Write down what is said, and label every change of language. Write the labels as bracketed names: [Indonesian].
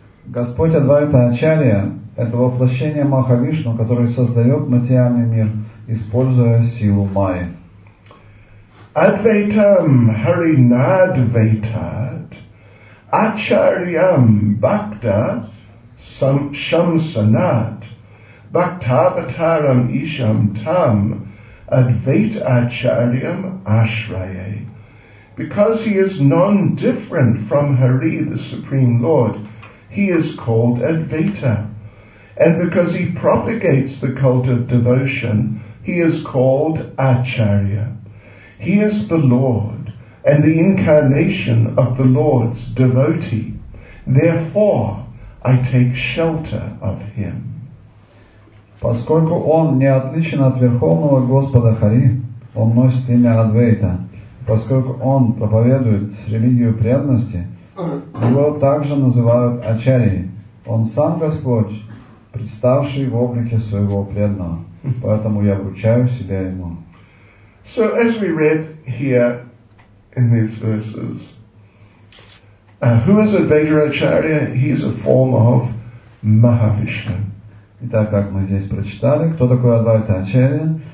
[Russian] Господь Адвайта Ачарья – это воплощение Махавишну, который создает материальный мир, используя силу Майи. [Sanskrit] Адвайтам Харинадвайта Acharyam Bhakta Shamsanat Bhaktavataram Isham Tam Advaita Acharyam Ashraye. [English] Because he is non-different from Hari, the Supreme Lord, he is called Advaita. And because he propagates the cult of devotion, he is called Acharya. He is the Lord and the incarnation of the Lord's devotee. Therefore, I take shelter of him. [Russian] Поскольку он не отличен от Верховного Господа Хари, он носит имя Адвейта. Поскольку он проповедует религию преданности, его также называют Ачарьей. Он сам Господь, представший в облике своего преданного. Поэтому я вручаю себя ему. [English] So as we read here in these verses, who is Advaita Acharya? He is a form of Mahavishnu. [Russian] Итак, как мы здесь прочитали, кто такой Адвайта Ачарья?